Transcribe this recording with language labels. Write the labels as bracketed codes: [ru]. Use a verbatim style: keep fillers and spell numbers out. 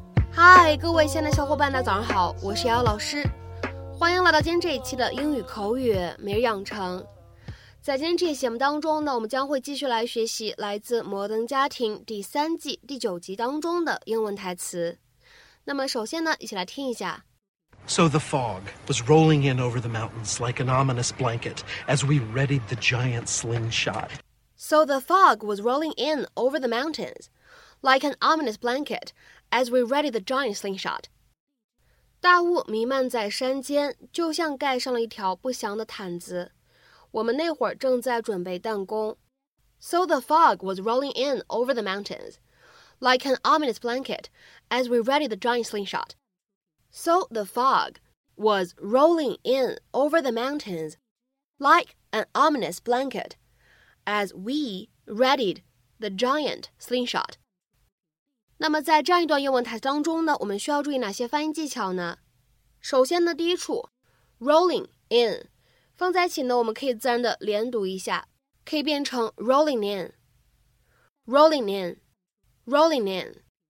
[zh] 嗨，各位亲爱的小伙伴，大早上好，我是瑶瑶老师，欢迎来到今天这一期的英语口语每日养成。在今天这一期节目当中呢，我们将会继续来学习来自《摩登家庭》第三季第九集当中的英文台词。那么首先呢，一起来听一下。 [en] So the fog was rolling in over the mountains like an ominous blanket as we readied the giant slingshot. So the fog was rolling in over the mountains like an ominous blanket as we readied the giant slingshot. [zh] 大雾弥漫在山间，就像盖上了一条不祥的毯子。我们那会儿正在准备弹弓。 [en] So the fog was rolling in over the mountains like an ominous blanket as we readied the giant slingshot. So the fog was rolling in over the mountains like an ominous blanket as we readied the giant slingshot. [zh] 那么在这样一段英文台词当中呢，我们需要注意哪些发音技巧呢？首先呢，第一处 rolling in 放在一起呢，我们可以自然的连读一下，可以变成 rolling in, rolling in, rolling in。